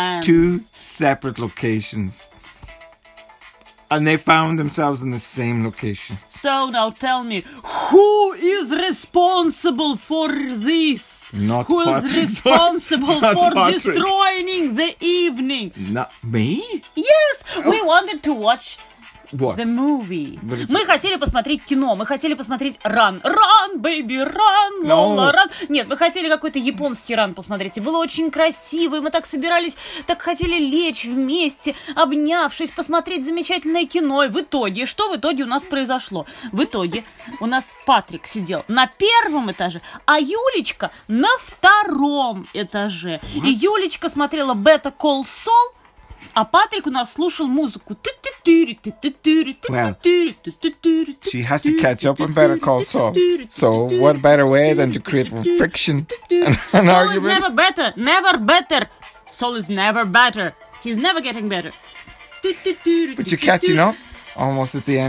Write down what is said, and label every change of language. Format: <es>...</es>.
<en>In two separate locations. And they found themselves in the same location. So now tell me, who is responsible for this? Not who Patrick. Who is responsible not for Patrick. Destroying the evening? Not me? Yes, we wanted to watch... What? The movie.</en> <ru>Мы хотели посмотреть кино. Мы хотели посмотреть Run.</ru> <en>Run, baby, run. Lola, no. Run.</en> <ru>Нет, мы хотели какой-то японский Run посмотреть. И было очень красиво. И мы так собирались, так хотели лечь вместе, обнявшись, посмотреть замечательное кино. И в итоге, что в итоге у нас произошло? В итоге у нас Патрик сидел на первом этаже, а Юлечка на втором этаже.</ru> <en>What?</en> <ru>И Юлечка смотрела Better Call Saul, А Патрик у нас слушал музыку.</ru> <en>Well, she has to catch up on Better Call Saul. So what better way than to create friction and an Saul argument? Saul is never better. Never better. Saul is never better. He's never getting better. But you're catching up almost at the end</en>